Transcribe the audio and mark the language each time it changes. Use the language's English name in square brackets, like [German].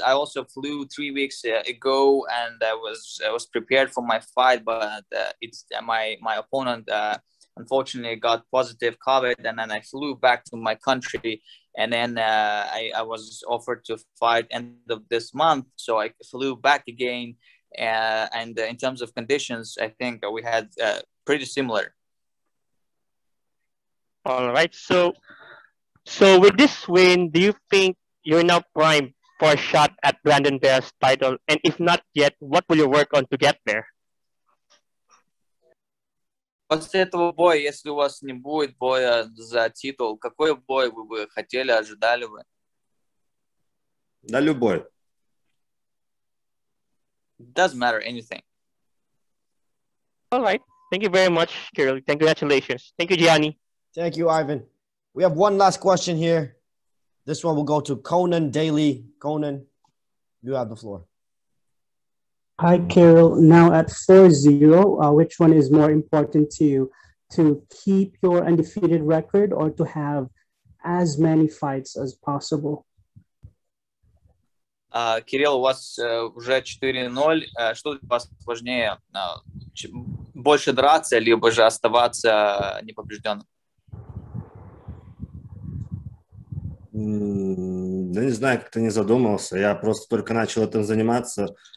[English] I also flew 3 weeks ago, and I was prepared for my fight, but it's my opponent unfortunately got positive COVID, and then I flew back to my country, and then I was offered to fight end of this month, so I flew back again, and in terms of conditions, I think we had pretty similar. All right, so. So with this win, do you think you're now primed for a shot at Brandon Vera's title? And if not yet, what will you work on to get there? [Russian] После этого боя, если у вас не будет боя за титул, какой бой вы бы хотели, ожидали бы? Да любой. [English] Doesn't matter anything. All right. Thank you very much, Kirill. Congratulations. Thank you, Gianni. Thank you, Ivan. We have one last question here. This one will go to Conan Daly. Conan, you have the floor. Hi, Kirill. Now at 4-0, which one is more important to you, to keep your undefeated record or to have as many fights as possible? [Russian] Кирилл, у вас уже 4-0. Что для вас важнее, больше драться либо же оставаться непобежденным? Да не знаю, как-то не задумывался. Я просто только начал этим заниматься.